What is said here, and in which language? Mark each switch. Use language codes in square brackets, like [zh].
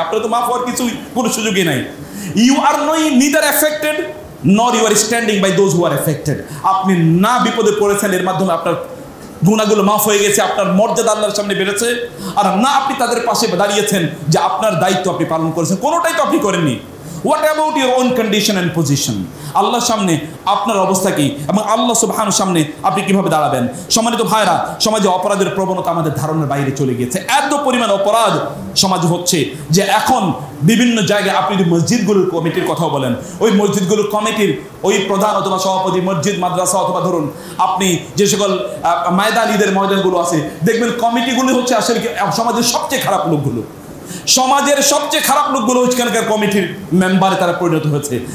[bn] আপনার তো মাফ হওয়ার কিছুই কোনো সুযোগই নাই। [en] you are নই neither affected nor you are standing by those who are affected, [bn] আপনি না বিপদে পড়েছেন এর মাধ্যমে আপনার গুণাগুলো মাফ হয়ে গেছে, আপনার মর্যাদা আল্লাহর সামনে বেড়েছে, আর না আপনি তাদের পাশে দাঁড়িয়েছেন যে আপনার দায়িত্ব আপনি পালন করেছেন, কোনোটাই তো আপনি করেননি। [en] What about your own condition and position? [bn] Allah সামনে আপনার অবস্থা কি এবং আল্লাহ সুবহানাহু সামনে আপনি কিভাবে দাঁড়াবেন? সম্মানিত ভাইরা, সমাজে অপরাধের প্রবণতা আমাদের ধারণার বাইরে চলে গিয়েছে। এত পরিমাণ অপরাধ সমাজে হচ্ছে যে এখন বিভিন্ন জায়গায় আপনি যদি মসজিদগুলোর কমিটির কথাও বলেন, ওই মসজিদগুলোর কমিটির ওই প্রধান অথবা সভাপতি, মসজিদ মাদ্রাসা অথবা ধরুন আপনি যে সকল ময়দান ঈদের ময়দানগুলো আছে, দেখবেন কমিটিগুলো হচ্ছে আসলে সমাজের সবচেয়ে খারাপ লোকগুলো, সমাজের সবচেয়ে খারাপ লোকগুলো ওইখানকার কমিটির মেম্বারে তারা পরিণত হয়েছে।